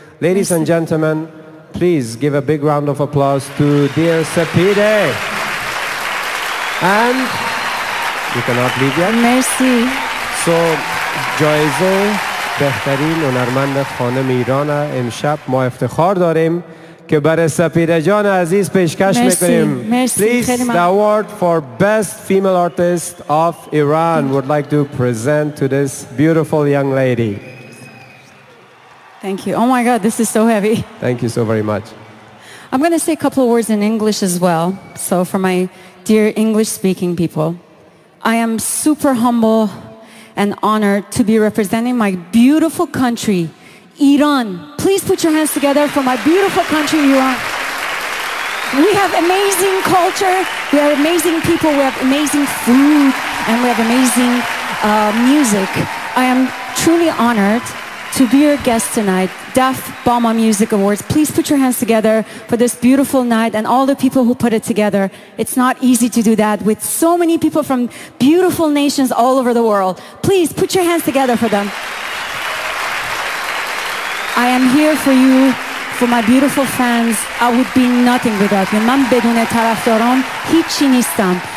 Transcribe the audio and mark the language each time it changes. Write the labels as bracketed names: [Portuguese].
[English] Ladies and gentlemen, please give a big round of applause to dear Sepideh. And you cannot leave yet. [French] Merci. [Persian] So, جایزه بهترین هنرمند خانم ایران امشب ما افتخار داریم که برای سپیده جان عزیز پیشکش میکنیم. [English] Please, the award for best female artist of Iran would like to present to this beautiful young lady. Thank you. Oh my God, this is so heavy. Thank you so very much. I'm going to say a couple of words in English as well. So for my dear English-speaking people, I am super humble and honored to be representing my beautiful country, Iran. Please put your hands together for my beautiful country, Iran. We have amazing culture, we have amazing people, we have amazing food, and we have amazing music. I am truly honored to be your guest tonight, Daf BAMA Music Awards. Please put your hands together for this beautiful night and all the people who put it together. It's not easy to do that with so many people from beautiful nations all over the world. Please put your hands together for them. I am here for you, for my beautiful fans. I would be nothing without you. [Persian] من بدون طرفداران هیچی نیستم.